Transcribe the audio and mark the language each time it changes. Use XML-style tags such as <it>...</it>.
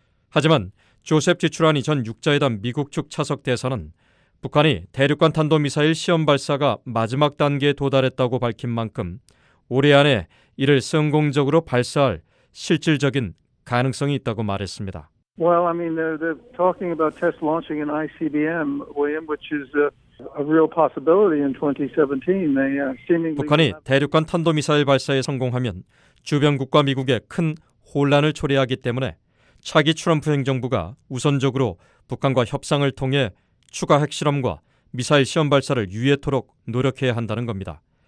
<ko>하지만 조셉 지출하니 전 육자회담 미국 측 차석 대사는 북한이 대륙간 탄도미사일 시험 발사가 마지막 단계에 도달했다고 밝힌 만큼 올해 안에 이를 성공적으로 발사할 실질적인 가능성이 있다고 말했습니다.</ko> <en>Well, I mean, they're talking about test launching an ICBM, which is a real possibility in 2017. They seemingly</en> <ko>북한이 대륙간 탄도미사일 발사에 성공하면 주변국과 미국에 큰 혼란을 초래하기 때문에 차기 트럼프 행정부가 우선적으로 북한과 협상을 통해 추가 핵실험과 미사일 시험 발사를 유예토록 노력해야 한다는 겁니다.</ko>